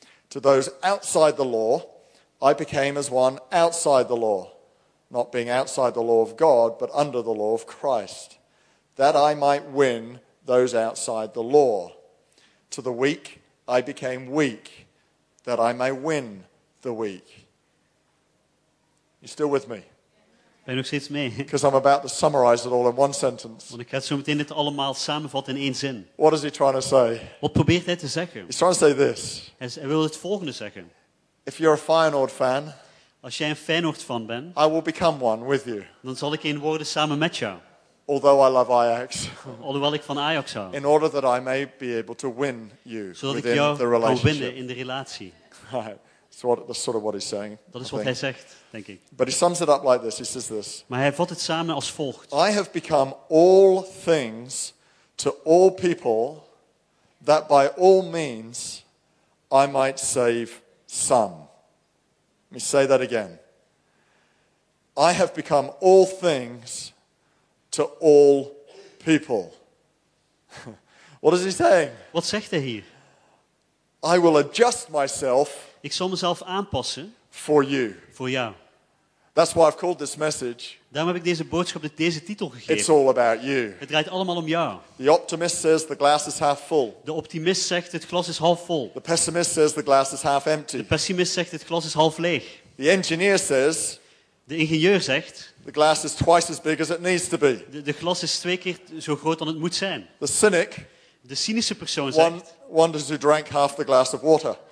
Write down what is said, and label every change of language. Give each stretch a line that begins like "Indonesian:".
English: To those outside the law, I became as one outside the law, not being outside the law of God, but under the law of Christ, that I might win those outside the law. To the weak, I became weak, that I may win the weak. You still with me?
Dutch: Ben je nog steeds mee?
English: Because I'm about to summarize it all in one sentence.
Dutch: Want ik ga zo meteen dit allemaal samenvatten in één zin.
English: What is he trying to say?
Dutch: Wat probeert hij te zeggen?
English: He's trying to say this.
Dutch: Hij wil het volgende zeggen.
English: If you're a Feyenoord fan,
Dutch: als jij een Feyenoord fan bent,
English: I will become one with you.
Dutch: Dan zal ik één worden samen met jou.
English: Although I love Ajax,
Dutch: alhoewel ik van Ajax hou.
English: In order that I may be able to win you within the relationship.
Dutch: Zodat ik jou kan winnen in de relatie.
English: Right. That's sort of what he's saying.
Dutch: Dat is wat hij zegt, denk ik.
English: But he sums it up like this. He says this.
Dutch: Maar hij vat het samen als volgt.
English: I have become all things to all people that by all means I might save some. Let me say that again. I have become all things to all people. What is he saying?
Dutch: Wat zegt hij hier?
English: I will adjust myself.
Dutch: Ik zal mezelf aanpassen.
English: For you.
Dutch: Voor jou.
English: That's why I've called this message.
Dutch: Daarom heb ik deze boodschap deze titel gegeven.
English: It's all about you.
Dutch: Het draait allemaal om jou.
English: The optimist says the glass is half full.
Dutch: De optimist zegt het glas is half vol.
English: The pessimist says the glass is half empty.
Dutch: De pessimist zegt het glas is half leeg.
English: The engineer says.
Dutch: De ingenieur zegt.
English: The glass is twice as big as it needs to be.
Dutch: De glas is twee keer zo groot dan het moet zijn.
English: The cynic.
Dutch: De cynische persoon zegt.
English: Wonders who drank half the glass of water.